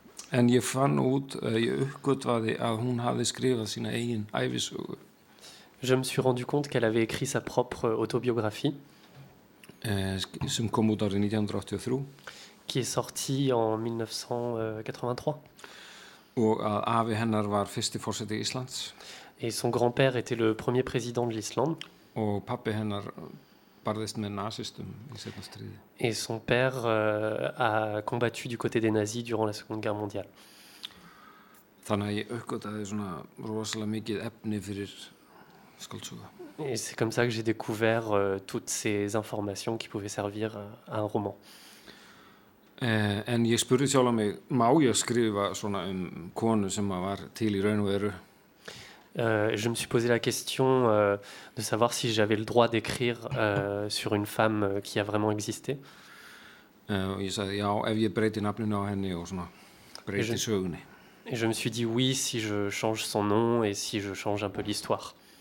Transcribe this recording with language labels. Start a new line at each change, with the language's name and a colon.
Icelandic: En ég fann út, ég uppgötvaði að hún hafði skrifað sína eigin ævisögu.
French: Je me suis rendu compte qu'elle avait écrit sa propre autobiographie.
Icelandic: Sem kom út árið 1983.
French: Qui est sorti en 1983.
Icelandic: Og að afi hennar var fyrsti forseti Íslands.
French: Et son grand-père était le premier président de l'Islande.
Icelandic: Og pappi hennar barðist með nazistum í seinna stríði.
French: Et son père a combattu du côté des nazis durant la Seconde Guerre mondiale.
Icelandic: Þannig að ég uppgötvaði svona rosalega mikið efni fyrir skáldsögu.
French: Et c'est comme ça que j'ai découvert toutes ces informations qui pouvaient servir à un roman.
Icelandic: En ég spurði sjálf mig, má ég skrifa svona konu sem var til í raun og veru?
French: Je me suis posé la question de savoir si j'avais le droit d'écrire sur une femme qui a vraiment existé. Et je me suis dit oui si je change son nom et si je change un peu l'histoire.